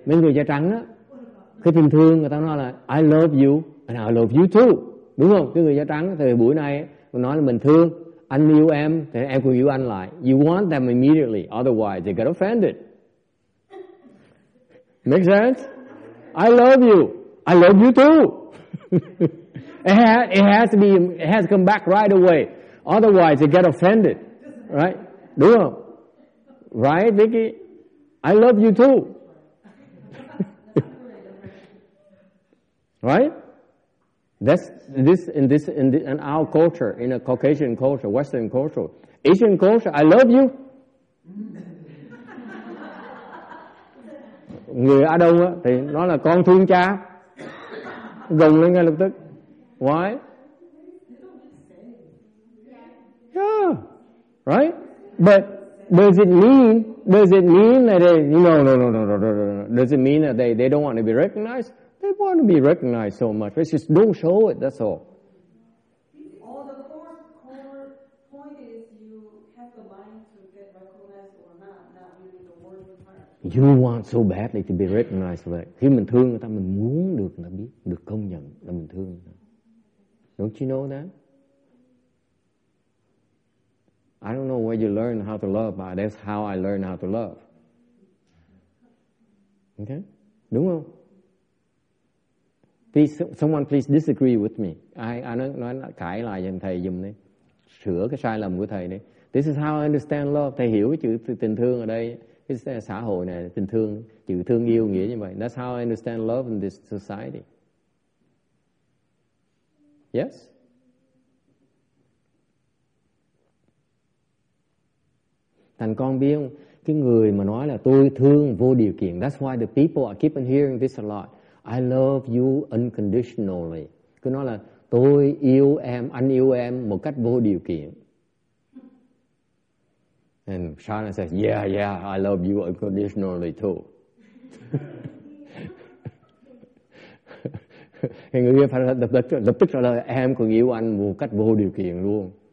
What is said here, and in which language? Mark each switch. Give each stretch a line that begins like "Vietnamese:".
Vietnamese: Mấy người da trắng á, cái tình thương người ta nói là
English: I love you and I love you too.
Vietnamese: Đúng không? Cái người da trắng thời buổi nay mình nói là mình thương, anh yêu em thì em cũng yêu anh lại.
English: You want them immediately, otherwise they get offended. Make sense? I love you. I love you too. It has to come back right away. Otherwise they get offended. Right?
Vietnamese: Đúng không?
English: Right, Vicky? I love you too. Right? In our culture, in a Caucasian culture, Western culture, Asian culture, I love you.
Vietnamese: Người Á Đông á thì nó là con thương cha, gồng lên ngay lập tức.
English: Why? Yeah, right. But does it mean that they don't want to be recognized? They want to be recognized so much. It's just don't show it, that's all. All the core point is you have the mind to get recognized or not really the word required. You want so badly to be recognized, right?
Vietnamese: Khi mình thương người ta, mình muốn được người ta biết, được công nhận là mình thương.
English: Don't you know that? I don't know where you learn how to love, but that's how I learn how to love. Okay?
Vietnamese: Đúng không?
English: Please, someone please disagree with me.
Vietnamese: Ai nói cãi lại với thầy giùm đi. Sửa cái sai lầm của thầy đi.
English: This is how I understand love.
Vietnamese: Thầy hiểu cái chữ tình thương ở đây. Cái xã hội này, tình thương, chữ thương yêu nghĩa như vậy.
English: That's how I understand love in this society. Yes?
Vietnamese: Thành con biết không? Cái người mà nói là tôi thương vô điều kiện.
English: That's why the people are keeping hearing this a lot. I love you unconditionally.
Vietnamese: Cứ nói là tôi yêu em, anh yêu em một cách vô điều kiện.
English: And Shana says, yeah, yeah, I love you unconditionally too.
Vietnamese: Thì người kia phải lập tức trả lời, em còn yêu anh một cách vô điều kiện luôn.